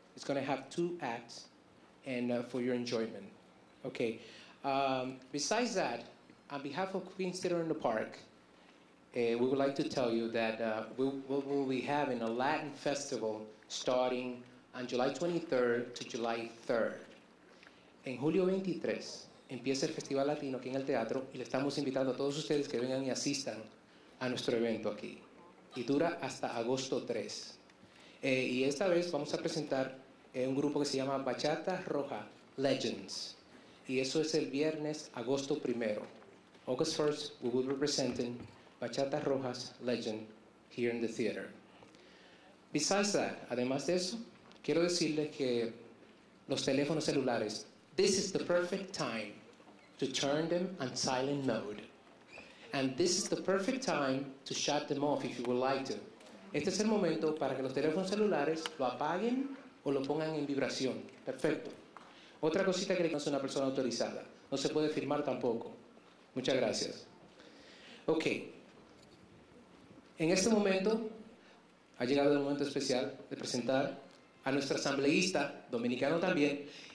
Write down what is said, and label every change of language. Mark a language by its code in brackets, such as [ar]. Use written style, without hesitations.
[en] It's going to have two acts, and for your enjoyment. Okay. Besides that, on behalf of Queen's Theater in the Park, we would like to tell you that we'll be having a Latin festival starting on July 23rd to July 3rd. [es] En julio 23 empieza el Festival Latino aquí en el teatro y le estamos invitando a todos ustedes que vengan y asistan a nuestro evento aquí. Y dura hasta agosto 3. Y esta vez vamos a presentar un grupo que se llama Bachata Roja Legends. Y eso es el viernes, agosto 1. [en] August 1st, we will be presenting Bachata Roja's Legend here in the theater. Besides that, [es] además de eso, quiero decirles que los teléfonos celulares, [en] this is the perfect time to turn them on silent mode. And this is the perfect time to shut them off if you would like to. [es] Este es el momento para que los teléfonos celulares lo apaguen o lo pongan en vibración. Perfecto. Otra cosita que le hace una persona autorizada. No se puede firmar tampoco. Muchas gracias. Ok. En este momento, ha llegado el momento especial de presentar a nuestro asambleísta, dominicano también.